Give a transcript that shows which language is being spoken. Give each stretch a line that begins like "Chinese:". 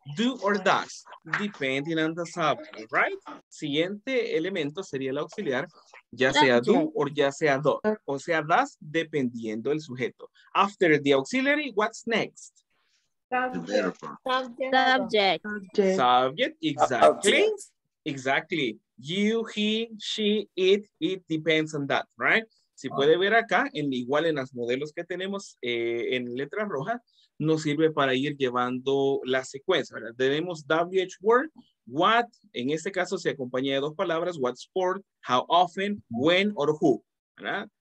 English: Do or does, depending on the subject, right?
Spanish: Siguiente elemento sería el auxiliar, ya sea do or ya sea do. O sea, does, dependiendo del sujeto.
English: After the auxiliary, what's next? Subject. Exactly. Exactly. You, he, she, it depends on that, right?
Spanish: Si puede ver acá, en, igual en las modelos que tenemos en letra roja, nos sirve para ir llevando la secuencia, ¿verdad? Tenemos WH word, what, en este caso se acompaña de dos palabras,
English: what sport, how often, when or who,
Spanish: ¿verdad?